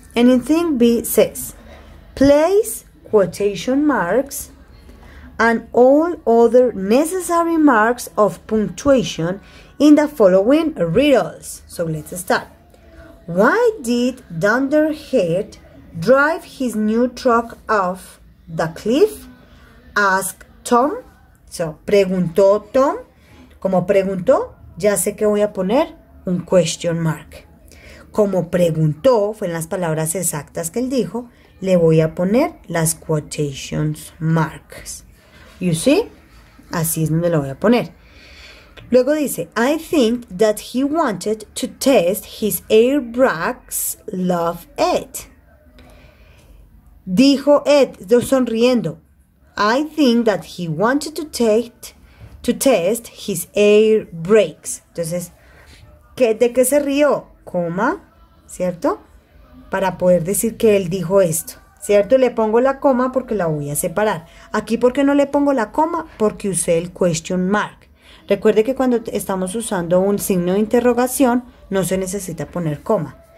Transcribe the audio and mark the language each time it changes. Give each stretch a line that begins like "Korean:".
English: And in Thing B says, place quotation marks and all other necessary marks of punctuation in the following riddles. So let's start. Why did Dunderhead drive his new truck off the cliff? Ask Tom. So,
Spanish: preguntó Tom. Como preguntó, ya sé que voy a poner un question mark. Como preguntó, fue en las palabras exactas que él dijo, le voy a poner las quotations marks.
English: You see?
Spanish: Así es donde lo voy a poner. Luego dice,
English: I think that he wanted to test his air brakes, love Ed.
Spanish: Dijo Ed, sonriendo.
English: I think that he wanted to test his air brakes.
Spanish: Entonces, ¿Qué, de qué se rió? Coma, ¿cierto? Para poder decir que él dijo esto, ¿cierto? Le pongo la coma porque la voy a separar. Aquí, ¿por qué no le pongo la coma? Porque usé el question mark. Recuerde que cuando estamos usando un signo de interrogación, no se necesita poner coma.